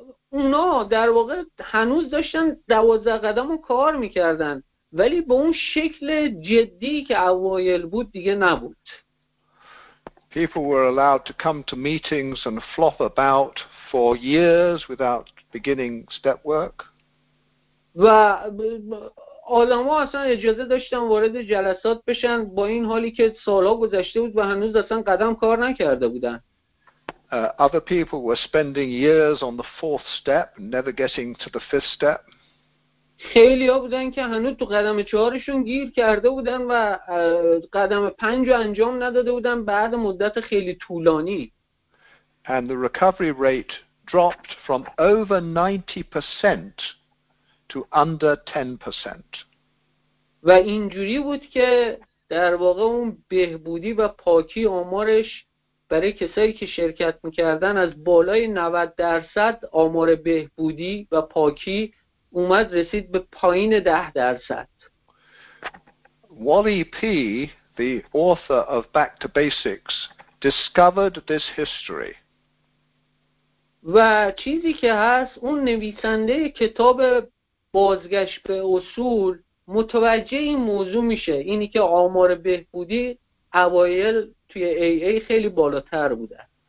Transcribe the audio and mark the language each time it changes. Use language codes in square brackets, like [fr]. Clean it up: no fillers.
[fa] اونا در واقع هنوز داشتن 12 قدم رو کار میکردن ولی به اون شکل جدی که اوایل بود دیگه نبود. [en] People were allowed to come to meetings and flop about for years without beginning step work. [fa] و آدم ها اصلا اجازه داشتن وارد جلسات بشن با این حالی که سالها گذشته بود و هنوز اصلا قدم کار نکرده بودن. [en] Other people were spending years on the fourth step, never getting to the fifth step. [fa] خیلی‌ها بودن که هنوز تو قدم 4شون گیر کرده بودن و قدم 5 رو انجام نداده بودن بعد مدت خیلی طولانی. [en] And the recovery rate dropped from over 90% to under 10%. [fa] و اینجوری بود که در واقع اون بهبودی و پاکی آمارش برای کسایی که شرکت میکردن از بالای 90% آمار بهبودی و پاکی اومد رسید به پایین 10%. [en] Wally P, the author of Back to Basics, discovered this history. [fa] و چیزی که هست اون نویسنده کتاب بازگشت به اصول متوجه این موضوع میشه، اینی که آمار بهبودی اوایل توی AA خیلی بالاتر بوده.